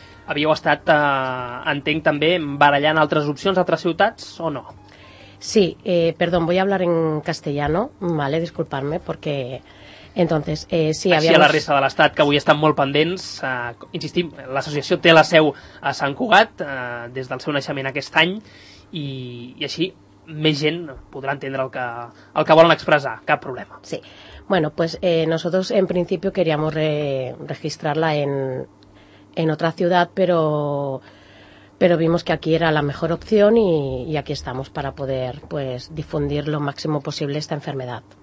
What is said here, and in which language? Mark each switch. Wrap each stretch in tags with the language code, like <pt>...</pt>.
<ca>Havíeu estat, entenc també, barallant altres opcions, altres ciutats o no?</ca> <es>Sí, perdón, voy a hablar en castellano, vale, disculparme, porque entonces, sí,</es> <ca>així habíamos... a la resta de l'Estat, que avui estan molt pendents, insistim, l'associació té la seu a Sant Cugat des del seu naixement aquest any i així més gent podrà entendre el que volen expressar, cap problema.</ca> <es>Sí, bueno, pues nosotros en principio queríamos registrarla en otra ciudad, pero vimos que aquí era la mejor opción y aquí estamos para poder pues difundir lo máximo posible esta enfermedad.</es>